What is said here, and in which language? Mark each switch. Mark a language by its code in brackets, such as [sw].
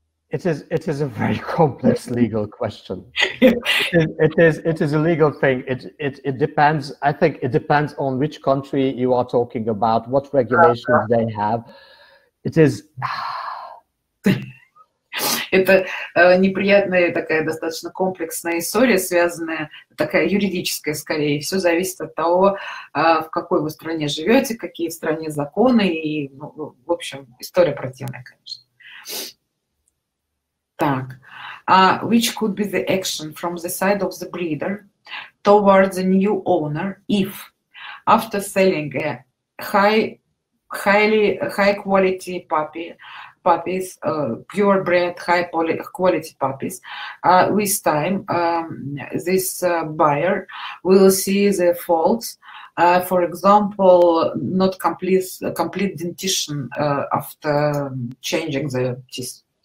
[en] It is a very complex legal question. It is a legal thing. It depends. I think it depends on which country you are talking about, what regulations they have. It is. [ru] Это неприятная такая достаточно комплексная история, связанная такая юридическая скорее. Все зависит от того, в какой вы стране живете, какие в стране законы и, ну, в общем, история противная, конечно. [en] Так, which could be the action from the side of the breeder towards the new owner if after selling a high quality puppies, pure bred, high quality puppies, with time, this buyer will see the faults, for example, not complete dentition after changing the teeth.